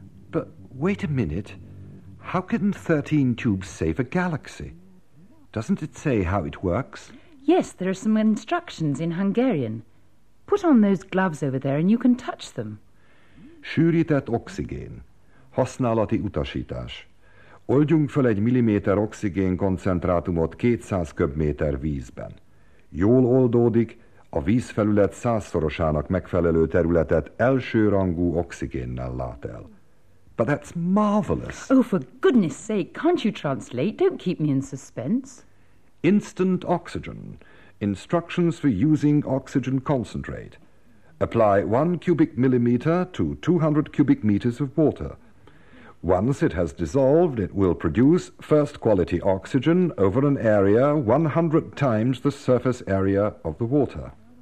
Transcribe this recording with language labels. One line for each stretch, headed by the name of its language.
English: But wait a minute. How can 13 tubes save a galaxy? Doesn't it say how it works? Yes, there are some instructions in Hungarian. Put on those gloves over there and you can touch them.
Hungarian: Sűrített oxigén. Használati utasítás. Oldjunk fel egy milliméter oxigén koncentrátumot 200 köbméter vízben. Jól oldódik, a vízfelület százszorosának megfelelő területet első rangú oxigénnel lát el.
English: But that's marvelous. Oh, for goodness sake, can't you translate? Don't keep me in suspense. Instant oxygen. Instructions for using oxygen concentrate. Apply 1 cubic millimeter to 200 cubic meters of water. Once it has dissolved, it will produce first-quality oxygen over an area 100 times the surface area of the water.